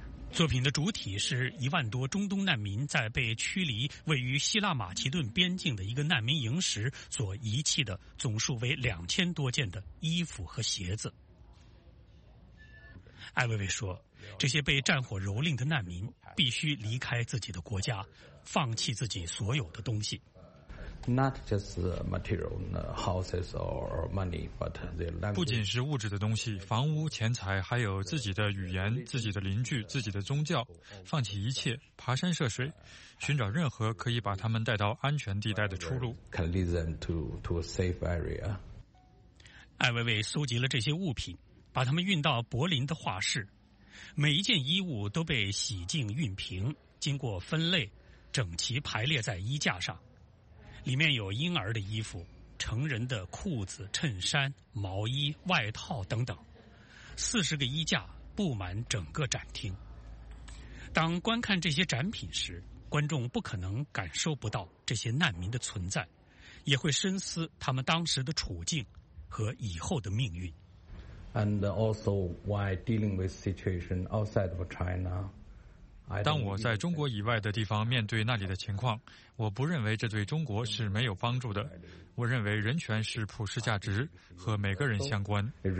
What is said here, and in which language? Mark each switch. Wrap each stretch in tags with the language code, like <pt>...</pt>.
<zh>作品的主体是10000多中东难民在被驱离位于希腊马其顿边境的一个难民营时所遗弃的总数为2000多件的衣服和鞋子。艾薇薇说，这些被战火蹂躏的难民必须离开自己的国家，放弃自己所有的东西。</zh> <en>Not just material, houses or money, but the language.</en> <zh>不仅是物质的东西，房屋、钱财，还有自己的语言、自己的邻居、自己的宗教，放弃一切，爬山涉水，寻找任何可以把他们带到安全地带的出路。</zh> <en>Can lead them to a safe area.</en> <zh>艾薇薇搜集了这些物品，把他们运到柏林的画室，每一件衣物都被洗净熨平，经过分类。整齐排列在衣架上，里面有婴儿的衣服、成人的裤子、衬衫、毛衣、外套等等。 40个衣架布满整个展厅。当观看这些展品时，观众不可能感受不到这些难民的存在，也会深思他们当时的处境和以后的命运。</zh> <en>And also why dealing with situation outside of China</en> <zh>当我在中国以外的地方面对那里的情况，我不认为这对中国是没有帮助的。我认为人权是普世价值，和每个人相关。</zh>